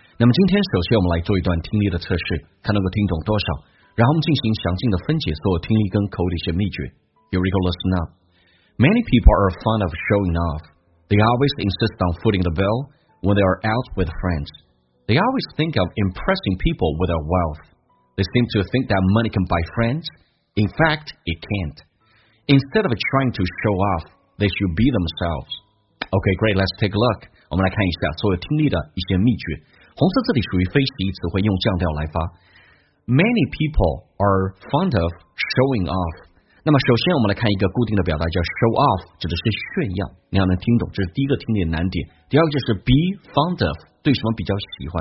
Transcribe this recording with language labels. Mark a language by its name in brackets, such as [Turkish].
[Chinese] 那么今天首先我们来做一段听力的测试，看能够听懂多少，然后我们进行详尽的分解所有听力跟口语的一些秘诀。 [English] Here we go, listen up. Many people are fond of showing off. They always insist on footing the bill when they are out with friends. They always think of impressing people with their wealth. They seem to think that money can buy friends. In fact, it can'tInstead of trying to show off, they should be themselves. Okay, great, let's take a look. [Chinese] 我们来看一下所有听力的一些秘诀。红色这里属于非习词汇，用降调来发。 [English] Many people are fond of showing off. [Chinese] 那么首先我们来看一个固定的表达叫 show off, 指的是炫耀。你要能听懂，这是第一个听力的难点。第二个就是 be fond of, 对什么比较喜欢。